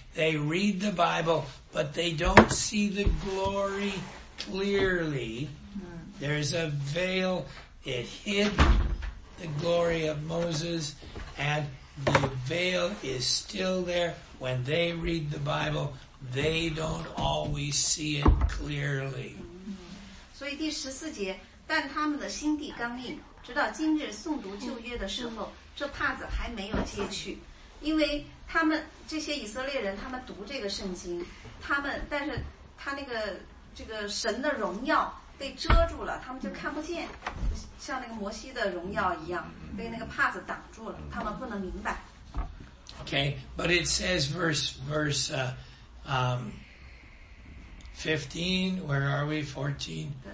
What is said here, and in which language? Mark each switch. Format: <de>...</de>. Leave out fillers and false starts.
<en>They read the Bible, but they don't see the glory clearly. There's a veilIt hid the glory of Moses, and the veil is still there. When they read the Bible, they don't always see it clearly.</en> <zh>所以第十四节，但他们的心地刚硬，直到今日诵读旧约的时候，这帕子还没有揭去，因为他们这些以色列人，他们读这个圣经，但是他那个这个神的荣耀被遮住了，他们就看不见。像那个摩西的荣耀一样被那个帕子挡住了，他们不能明白。</zh> <en>Okay, but it says verse 15, where are we, 14?</en>